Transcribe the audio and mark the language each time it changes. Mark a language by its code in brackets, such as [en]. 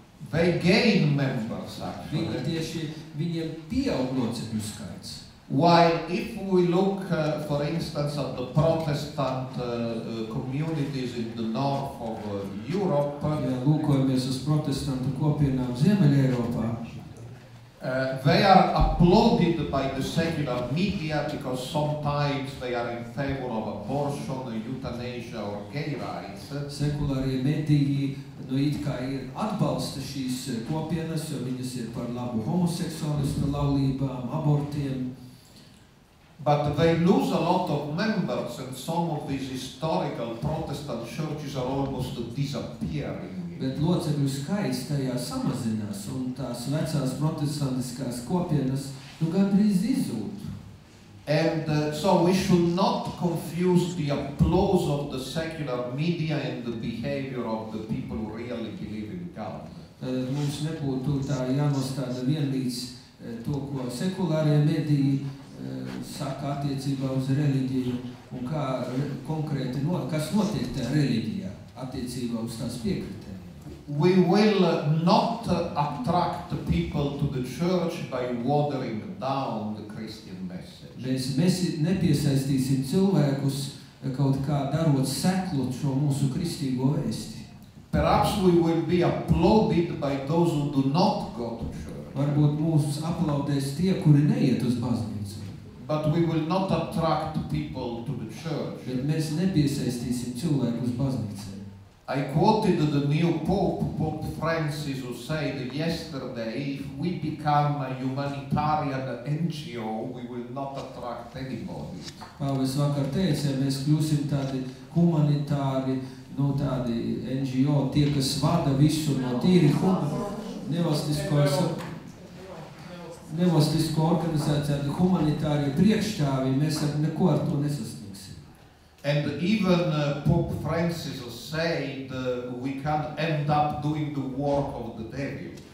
[en] They gain members, actually. [lv] Viņi tieši, viņiem pieaug locekļu skaits. [en] While if we look, for instance, at the Protestant communities in the north of Europe, [lv] ja lūkojamies uz protestantu kopienām Ziemeļ-Eiropā, [en] They are applauded by the secular media because sometimes they are in favor of abortion, euthanasia or gay rights. [lv] Sekulārie mediji, nu it kā ir atbalsta šīs kopienas, jo viņas ir par labu homoseksualistu laulībām, abortiem. [en] But they lose a lot of members, and some of these historical Protestant churches are almost disappearing. [lv] Bet locekļu skaits tajā samazinās, un tās vecās protestantiskās kopienas nu gandrīz izzūd. [en] And so we should not confuse the applause of the secular media and the behavior of the people who really believe in God. [lv] Tātad mums nebūtu tā jānostāda vienlīdz to, ko sekulārie mediji saka attiecībā uz reliģiju, un kā konkrēti, kas notiek tajā reliģijā attiecībā uz tās piekritēm. [en] We will not attract people to the church by watering down the Christian message. [lv] Mēs nepiesaistīsim cilvēkus kaut kā darot seklot šo mūsu kristīgo vēsti. [en] Perhaps we will be applauded by those who do not go to church. [lv] Varbūt mūs aplaudēs tie, kuri neiet uz baznīcu. [en] But we will not attract people to the church. [lv] Bet mēs nepiesaistīsim cilvēku uz baznīcu. [en] I quoted the new Pope, Pope Francis, who said yesterday, if we become a humanitarian NGO, we will not attract anybody. [lv] Pāvis vakar teica, mēs kļūsim tādi humanitāri, no tādi NGO, tie, kas vada visu no tīri nevalstisko organizāciju, tādi humanitārie priekšstāvi, mēs ar neko ar to nesasniegsim. [en] And even Pope Francis said we can end up doing the work of the devil.